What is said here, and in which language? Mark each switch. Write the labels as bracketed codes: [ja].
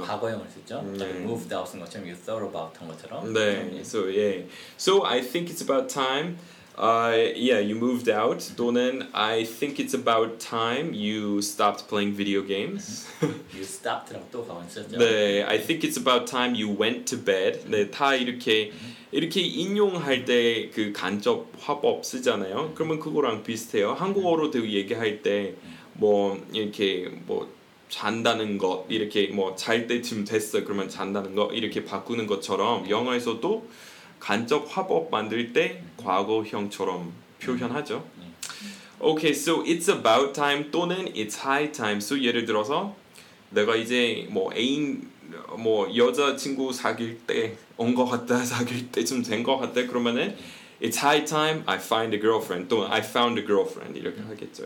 [ko] 과거형을 쓰죠? 네. [en] Like moved out [ko] 쓴 것처럼 [en] you thought about [ko] 한 것처럼. 네. 그렇죠? [en] So, yeah. So, I think it's about time yeah, you moved out. [ko] 또는 [en] I think it's about time you stopped playing video games. You stopped [ko] 라고 또 가만히 쓰셨죠? 네, [en] I think it's about time you went to bed. [ko] 네, 다 이렇게 이렇게 인용할 때 그 간접 화법 쓰잖아요. 그러면 그거랑 비슷해요. 한국어로 얘기할 때 뭐 이렇게 뭐 잔다는 것 이렇게 뭐 잘 때쯤 됐어 그러면 잔다는 것 이렇게 바꾸는 것처럼 영어에서도 간접 화법 만들 때 과거형처럼 표현하죠. [en] Okay, so it's about time [ko] 또는 [en] it's high time. [ko] So 예를 들어서 내가 이제 뭐 애인 뭐 여자친구 사귈 때 온 것 같다 사귈 때쯤 된 것 같다 그러면은 [en] it's high time I find a girlfriend [ko] 또는 [en] I found a girlfriend [ko] 이렇게 하겠죠.